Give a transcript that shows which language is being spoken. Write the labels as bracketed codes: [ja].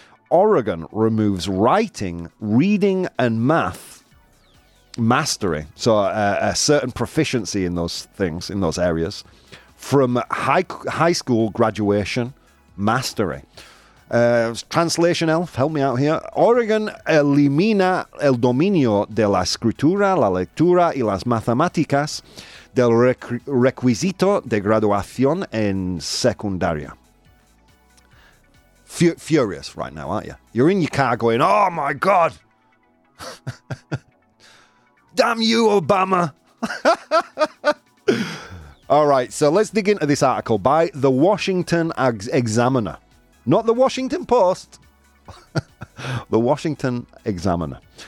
[en] Oregon removes writing, reading, and math mastery, so a certain proficiency in those things, in those areas, from high school graduation mastery. Translation elf, help me out here. [es] Oregon elimina el dominio de la escritura, la lectura y las matemáticas del requisito de graduación en secundaria. [en] Furious right now, aren't you? You're in your car going, oh my God. Damn you, Obama. All right, so let's dig into this article by the Washington Examiner. Not the Washington Post. The Washington Examiner.